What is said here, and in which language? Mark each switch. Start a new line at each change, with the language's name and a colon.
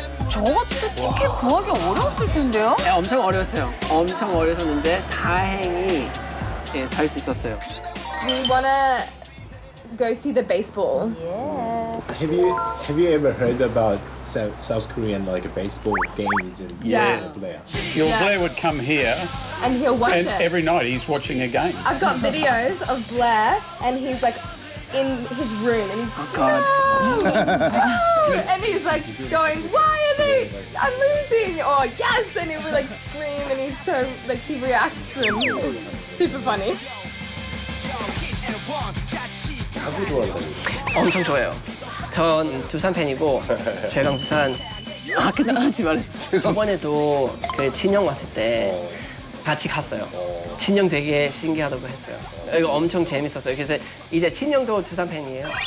Korean: 저것도 티켓 구하기 어려웠을 텐데요? 네, 엄청 어려웠어요. 엄청 어려웠는데 다행히 네, 살 수 있었어요.
English: We wanna go see the baseball. Yeah. Have you ever heard about South Korean like a baseball games and Yeah. Your player? Your player would come here. And he'll watch and it. And every night he's watching a game. I've got videos of Blair and he's like in his room and he's oh God. No! No! And he's like going, why are they, I'm losing, or yes, and he would like scream and he's so, like he reacts and super funny.
Korean: 한국 좋아하세요? 엄청 좋아해요. 전 두산 팬이고 최강 두산. 아, 그때 하지 말았어. 이번에도 그 진영 왔을 때 같이 갔어요. 진영 되게 신기하다고 했어요. 이거 엄청 재밌었어요. 그래서 이제 진영도 두산 팬이에요.